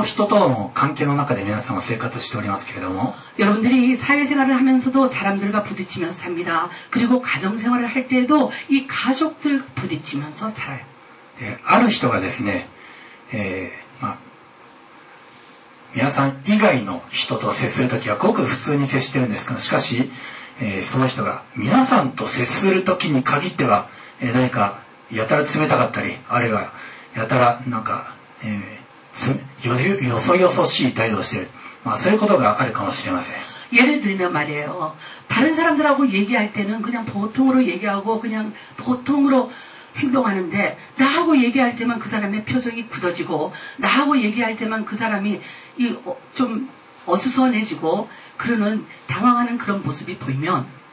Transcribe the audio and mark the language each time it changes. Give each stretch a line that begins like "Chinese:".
Japanese: 例えばですね、皆さんが社会生活をして、まあ家庭でもいいです。とにかく人と人との関係の中で皆さんは生活しておりますけれども。
Korean: 여러분들이 사회생활을 하면서도 사람들과 부딪히면서 삽니다. 그리고 가정생활을 할 때도 이 가족들 부딪히면서 살아요.
Japanese: ある人がですね、まあ 皆さん以外の人と接するときはごく普通に接してるんですけど、しかし、その人が皆さんと接するときに限っては、何かやたら冷たかったり、あるいはやたらなんか、よそよそしい態度をしている。まあ、そういうことがあるかもしれません。
Korean: 예를 들면 말이에요. 다른 사람들하고 얘기할 때는 그냥 보통으로 얘기하고 그냥 보통으로 행동하는데 나하고 얘기할 때만 그 사람의 표정이 굳어지고 나하고 얘기할 때만 그 사람이 좀 어수선해지고 그러는 당황하는 그런 모습이 보이면